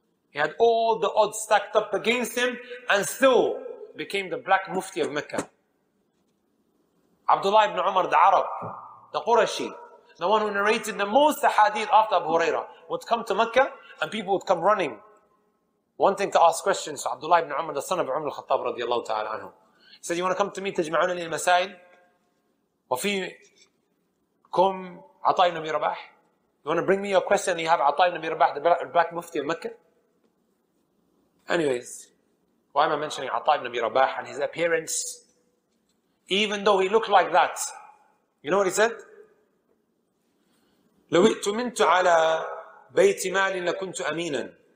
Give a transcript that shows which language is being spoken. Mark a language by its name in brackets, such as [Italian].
[English] He had all the odds stacked up against him and still became the black mufti of Mecca. Abdullah ibn Umar, the Arab, the Qurashi, the one who narrated the most hadith after Abu Huraira, would come to Mecca and people would come running, wanting to ask questions. So Abdullah ibn Umar, the son of Umar al-Khattab, radiallahu ta'ala anhu, said, you want to come to me? [Arabic] تجمعون لي المسائل وفيكم عطاء بن أبي رباح. [English] You want to bring me your question? You have Atta ibn Abi Rabah, the black mufti of Mecca? Anyways, why am I mentioning Atta ibn Abi Rabah and his appearance? Even though he looked like that, you know what he said? [Arabic] لَوِئْتُ مِنْتُ عَلَى بَيْتِ مَالٍ لَكُنْتُ أَمِينًا.